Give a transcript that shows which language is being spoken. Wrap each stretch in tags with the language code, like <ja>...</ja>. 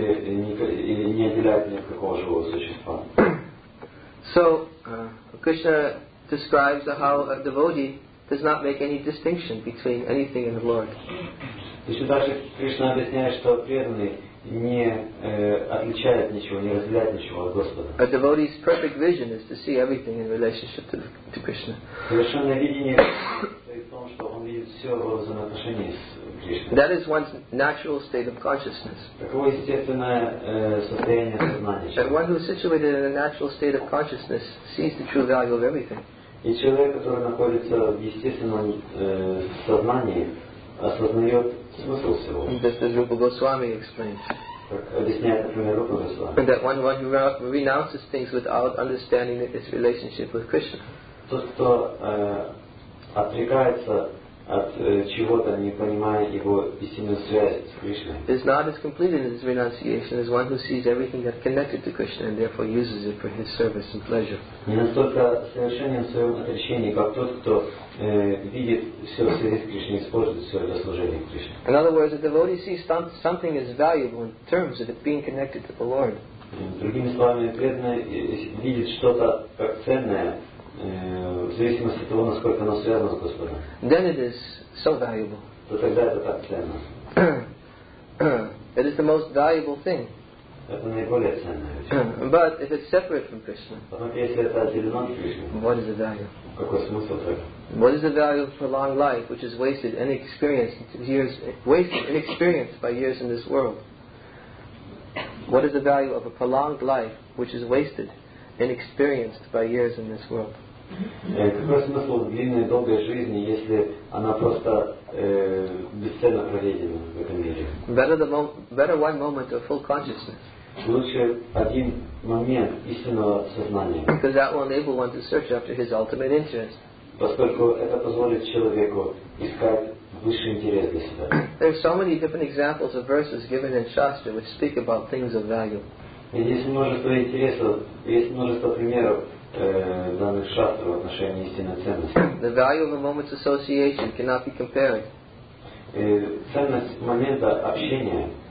<ru>Или не отделяют ни от какого живого существа.</ru> <en>So, Krishna describes how a devotee does not make any distinction between anything and the Lord.</en> <ru>Еще дальше Кришна объясняет, что преданный не отличает ничего, не разделяет ничего от Господа.</ru> <en>A devotee's perfect vision is to see everything in relationship to Krishna.</en> <ru>Совершенное видение состоит в том, что он видит все во взаимоотношении с Кришной.</ru> <en>That is one's natural state of consciousness.</en> <ru>Таково естественное состояние сознания.</ru> <en>One who is situated in a natural state of consciousness sees the true value of everything.</en> <ru>И человек, который находится в естественном сознании, осознает смысл всего.</ru> <en>Just as Rupa Goswami explains.</en> <ru>Объясняет, например, Рупа Госвами.</ru> <en>That one who renounces things without understanding its relationship with Krishna.</en> <ru>Тот, кто отрекается от чего-то, не понимая его истинную связь с Кришной.</ru> <en>Is not as complete in his renunciation as one who sees everything that connected to Krishna and therefore uses it for his service and pleasure.</en> <ru>Не настолько совершенен в своем отречении, как тот, кто видит все в связи с Кришной, использует все для служения Кришне.</ru> <en>In other words, a devotee sees something as valuable in terms of it being connected to the Lord.</en> <ru>Другими словами, преданный видит что-то как ценное, в зависимости от того, насколько оно связано с Господом.</ru> <en>Then it is so valuable.</en> <ru>То тогда это так ценно.</ru> <en>It is the most valuable thing.</en> <ru>Это наиболее ценная вещь.</ru> <en>But if it's separate from Krishna,</en> <ru>однако если это отделено от Кришны,</ru> <en>what is the value?</en> <ru>Какой смысл тогда?</ru> <en>What is the value of prolonged life, which is wasted inexperienced by years in this world? What is the value of a prolonged life, which is wasted inexperienced by years in this world?</en> <ru>Какой смысл в длинной долгой жизни, если она просто бесценно проведена в этом мире?</ru> <en>Better one moment of full consciousness.</en> <ru>лучше один момент истинного сознания.</ru> <en>Because that will enable one to search after his ultimate interest.</en> <ru>Поскольку это позволит человеку искать высший интерес для себя.</ru> <en>There are so many different examples of verses given in Shastra which speak about things of value.</en> <ru>И есть множество интересов, есть множество примеров данных шастр в отношении истинной ценности.</ru> <en>The value of a moment's association cannot be compared.</en> <ru>Ценность момента общения.</ru>